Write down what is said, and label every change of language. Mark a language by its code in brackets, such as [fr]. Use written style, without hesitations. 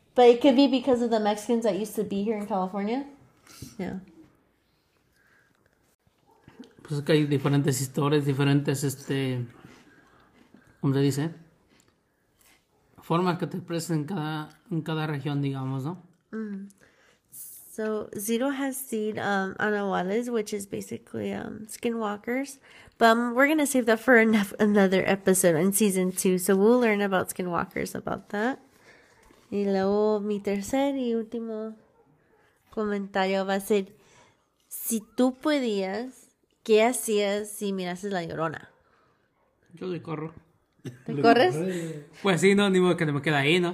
[en] But it could be because of the Mexicans that used to be here in California. [es] Pues es que hay diferentes historias, diferentes, ¿cómo se dice? Formas que te expresan en cada región, digamos, ¿no? [en] So Zero has seen Anahuales, which is basically skinwalkers. But we're gonna save that for another episode in season two. So we'll learn about skinwalkers about that. [es] Y luego mi tercer y último comentario va a ser, si tú podías, ¿qué hacías si mirases Yo le corro. la Llorona? Le corro. Pues sí, no, ni modo que me quede ahí, ¿no?